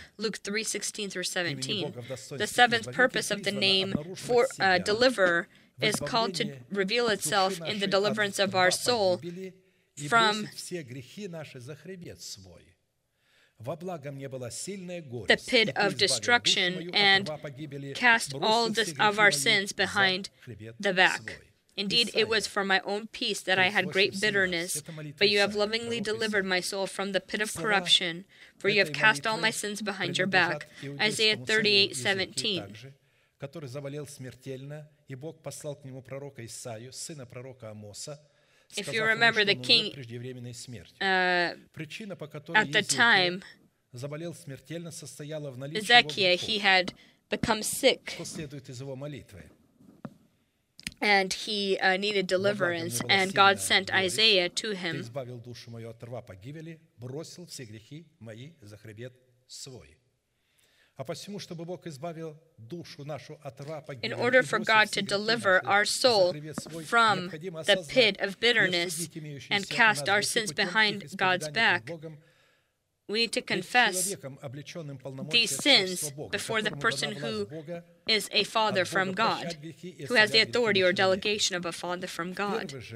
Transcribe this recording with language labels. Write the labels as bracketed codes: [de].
[en] Luke 3:16-17. The seventh purpose of the name for deliverer is called to reveal itself in the deliverance of our soul from the pit of destruction and cast all this of our sins behind the back. Indeed, it was for my own peace that I had great bitterness, but you have lovingly delivered my soul from the pit of corruption, for you have cast all my sins behind your back. Isaiah 38:17. [ru] Который заболел смертельно, и Бог послал к нему пророка Исаию, сына пророка Амоса, [en] if you remember, the king, [ru] причина, по которой [en] at the time, [ru] заболел смертельно, состояла в наличии [en] Ezekiel, he had become sick. [ru] Что следует из его молитвы? [en] And he needed deliverance, and God sent Isaiah to him. [ru] Ты избавил душу мою от рва погибели, бросил все грехи мои за хребет свой. [en] In order for God to deliver our soul from the pit of bitterness and cast our sins behind God's back, we need to confess these sins before the person who is a father from God, who has the authority or delegation of a father from God.